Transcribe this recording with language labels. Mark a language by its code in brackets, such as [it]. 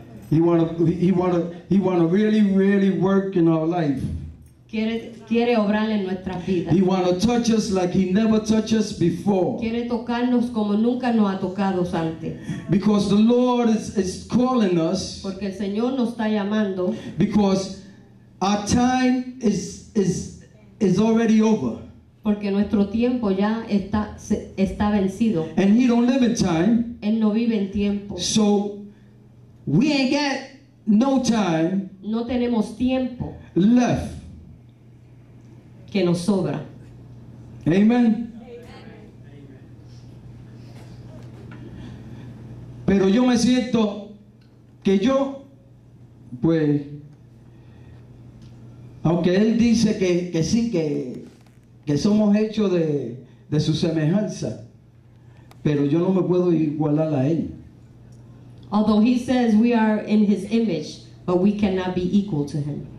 [en] He wanna really, really work in our life. [es] Quiere obrar en nuestra vida. [en] He wanna touch us like he never touched us before. [es] Quiere tocarnos como nunca nos ha tocado antes. [en] Because the Lord is calling us. [es] Porque el Señor nos está llamando. [en] Because our time is already over. [es] Porque nuestro tiempo ya está vencido. [en] And he don't live in time. [es] Él no vive en tiempo. [en] So we ain't got no time. [es] No tenemos tiempo [en] left. [es] Que nos sobra. [en] Amen. Amen. [es] Pero yo me siento que yo, pues, aunque él dice que sí, que somos hechos de su semejanza, pero yo no me puedo igualar a él. [en] Although he says we are in his image, but we cannot be equal to him.